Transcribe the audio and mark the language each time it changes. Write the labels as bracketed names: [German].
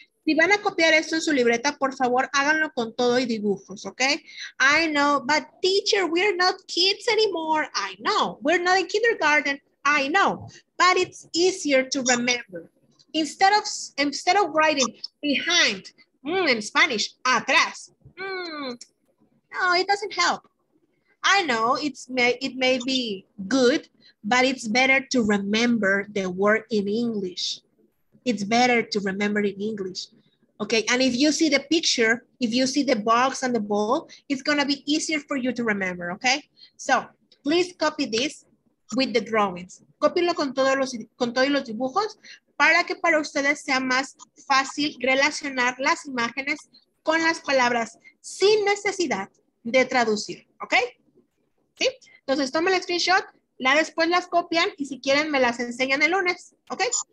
[Spanish] Si van a copiar esto en su libreta, por favor, háganlo con todo y dibujos, okay? [English] I know, but teacher, we're not kids anymore. I know, we're not in kindergarten. I know, but it's easier to remember. Instead of writing behind, in Spanish, atrás, no, it doesn't help. I know it may be good, but it's better to remember the word in English. It's better to remember in English, okay? And if you see the picture, if you see the box and the ball, it's gonna be easier for you to remember, okay? So please copy this with the drawings. [Spanish] Copílo con todos los dibujos para ustedes sea más fácil relacionar las imágenes con las palabras sin necesidad de traducir, okay? ¿Sí? Entonces, toma el screenshot, después las copian y si quieren me las enseñan el lunes, okay?